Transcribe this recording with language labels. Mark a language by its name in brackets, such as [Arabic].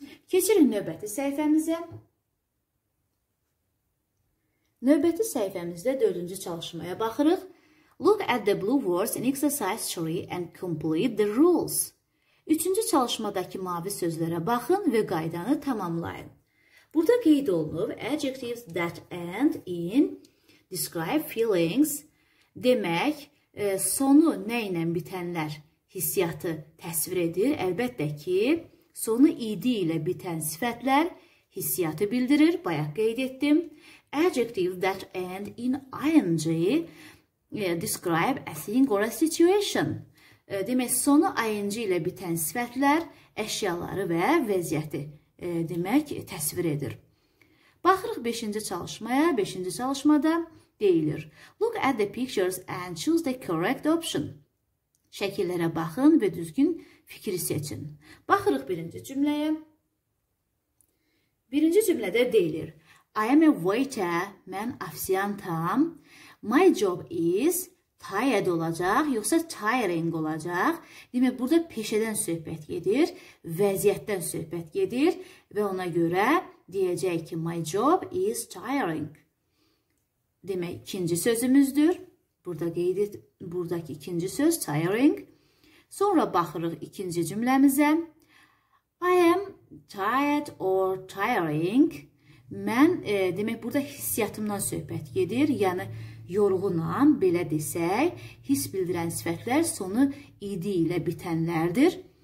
[Azerbaijani] Keçirin növbəti səhifəmizə. Növbəti səhifəmizdə dördüncü çalışmaya baxırıq. [English] Look at the blue words in exercise 3 and complete the rules. [Azerbaijani] Üçüncü çalışmadakı mavi sözlərə baxın və qaydanı tamamlayın. Burada qeyd olunub, [English] adjectives that end in, describe feelings, [Azerbaijani] demək, sonu nə ilə bitənlər hissiyatı təsvir edir. Əlbəttə ki, sonu ed ilə bitən sifətlər hissiyatı bildirir, bayaq qeyd etdim. [English] Adjectives that end in ing, describe a thing or a situation. [Azerbaijani] Demək, sonu ing ilə bitən sifətlər əşyaları və vəziyyəti demək təsvir edir. Baxırıq 5-ci çalışmaya. 5-ci çalışmada deyilir. [English] Look at the pictures and choose the correct option. [Azerbaijani] Şəkillərə baxın və düzgün Fikri seçin. Baxırıq birinci cümləyə. Birinci cümlədə deyilir. [English] I am a waiter. [Azerbaijani] Mən ofisiantam. [English] My job is tired [Azerbaijani] olacaq, yoxsa [English] tiring olacaq. [Azerbaijani] Demək, burada peşədən söhbət gedir, vəziyyətdən söhbət gedir və ona görə deyəcək ki, [English] my job is tiring. [Azerbaijani] Demək, ikinci sözümüzdür. Burada qeyd et, buradakı ikinci söz tiring. Sonra baxırıq ikinci cümləmizə. [English] I am tired or tiring. [Azerbaijani] Mən, demək, burada hissiyatımdan söhbət gedir. Yəni, yorğunam, belə desək, hiss bildirən sifətlər sonu ed ilə bitənlərdir.